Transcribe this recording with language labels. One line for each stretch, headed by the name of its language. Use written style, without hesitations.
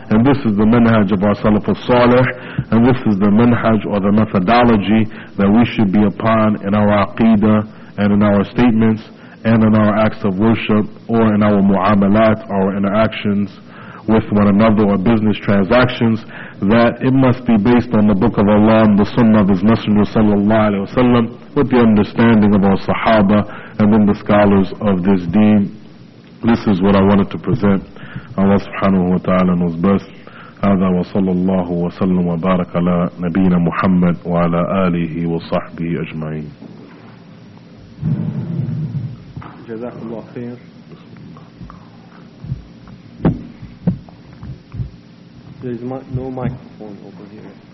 English: And this is the manhaj of our Salaf al-Salih, and this is the manhaj or the methodology that we should be upon in our aqidah and in our statements and in our acts of worship or in our mu'amalat, our interactions with one another or business transactions, that it must be based on the Book of Allah and the Sunnah of His Messenger sallallahu alayhi wa sallam, with the understanding of our Sahaba and then the scholars of this deen. This is what I wanted to present.
Arabic: الله سبحانه وتعالى نوز بس هذا وصلى الله وسلم وبارك على نبينا محمد وعلى آله وصحبه أجمعين جزاك الله خير
English: There is no microphone over here